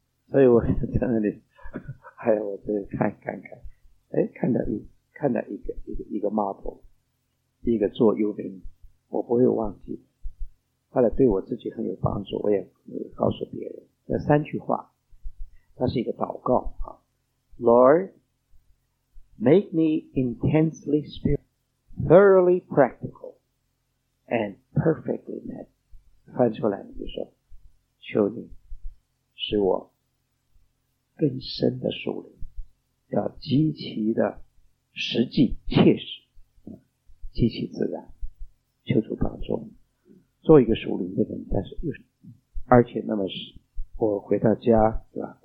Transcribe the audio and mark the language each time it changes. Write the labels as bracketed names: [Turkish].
[Chinese] 所以我在那里，哎呀，我这看，哎，看到一个 model， 一个座右铭，我不会忘记。后来对我自己很有帮助，我也告诉别人这三句话，它是一个祷告啊。 [English] Lord, make me intensely spiritual, thoroughly practical, and perfectly met. [Chinese] 翻出来你就说，求你使我更深的属灵，要极其的实际切实，极其自然，求主帮助做一个属灵的人，但是又是而且那么是我回到家，对吧？